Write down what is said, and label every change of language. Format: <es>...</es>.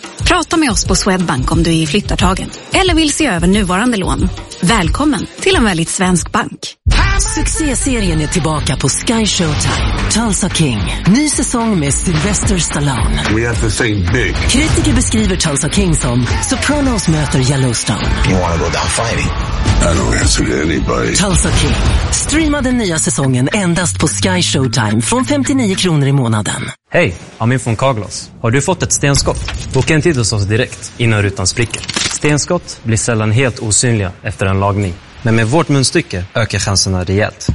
<sv>Prata med oss på Swedbank om du är i flyttartagen. Eller vill se över nuvarande lån. Välkommen till en väldigt svensk bank. Succéserien är tillbaka på Sky Showtime. Tulsa King. Ny säsong med Sylvester Stallone.</sv> <en>We have to think big.</en> <sv>Kritiker beskriver Tulsa King som Sopranos möter Yellowstone.</sv> <en>You wanna go down fighting? I don't answer to anybody.</en> <sv>Tulsa King. Streama den nya säsongen endast på Sky Showtime från 59 kronor i månaden. Hej, Amin från Carglass. Har du fått ett stenskott? Boka en tid hos oss direkt innan rutan spricker. Stenskott blir sällan helt osynliga efter en lagning. Men med vårt munstycke ökar chanserna rejält.</sv>